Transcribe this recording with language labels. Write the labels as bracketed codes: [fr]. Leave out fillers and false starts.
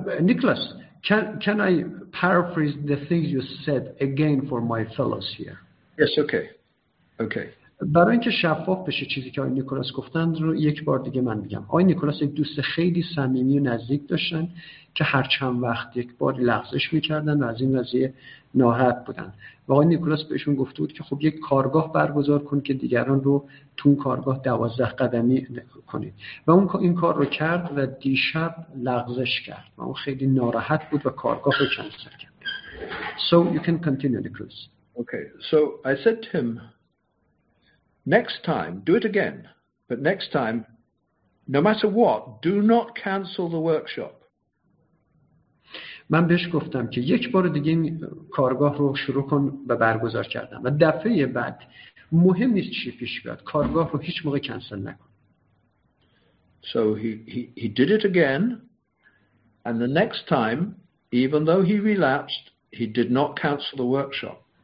[en] Nicholas, can I paraphrase the things you said again for my fellows here? Yes, okay. Okay. [fa] برای اینکه شفاف بشه چیزی که آقای نیکولاس گفتند رو یک بار دیگه من میگم. آقای نیکولاس یک دوست خیلی صمیمی و نزدیک داشتن که هر چند وقت یک بار لغزش میکردن و از این وضعیه ناراحت بودن. و آقای نیکولاس بهشون گفته بود که خب یک کارگاه برگزار کن که دیگران رو تو کارگاه 12 قدمی کنید. و اون این کار رو کرد و دیشب لغزش کرد. و اون خیلی ناراحت بود و کارگاه رو کنسل کرد. [en] So you can continue, Nicholas. Okay. So I said to him, next time, do it again. But next time, no matter what, do not cancel the workshop. [fa] من بهش گفتم که یک بار دیگه این کارگاه رو شروع کن و برگزار کردم. و دفعه بعد مهم نیست چی پیش بیاد. کارگاه رو هیچ موقع کنسل نکن. [en] So he did it again. And the next time, even though he relapsed, he did not cancel the workshop.